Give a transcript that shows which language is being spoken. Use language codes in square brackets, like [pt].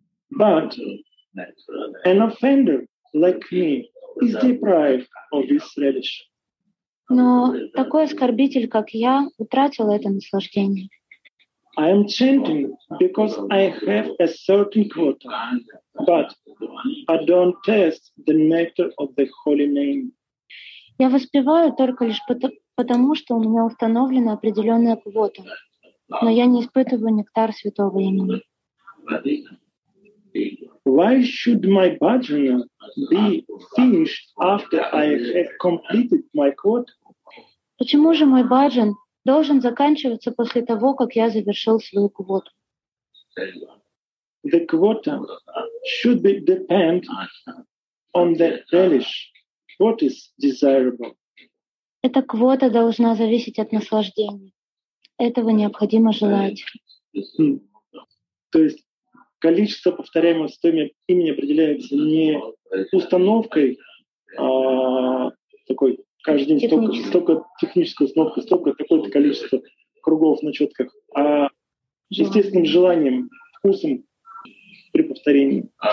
[en] But an offender like me is deprived of this relish. [ru] Но такой оскорбитель, как я, утратил это наслаждение. [en] I am chanting because I have a certain quota, but I don't taste the nectar of the holy name. [ru] Я воспеваю только лишь потому, что у меня установлена определенная квота, но я не испытываю нектар святого имени. [en] Why should my bhajana be finished after I have completed my quota? [ru] Почему же мой баджан должен заканчиваться после того, как я завершил свою квоту? [en] The quota should be depend on the relish. What is desirable? [ru] Эта квота должна зависеть от наслаждения. Этого необходимо желать. То есть количество повторяемого святого имени определяется не установкой, а такой каждый день столько технической установки, столько какое-то количество кругов на четках, а естественным желанием, вкусом при повторении.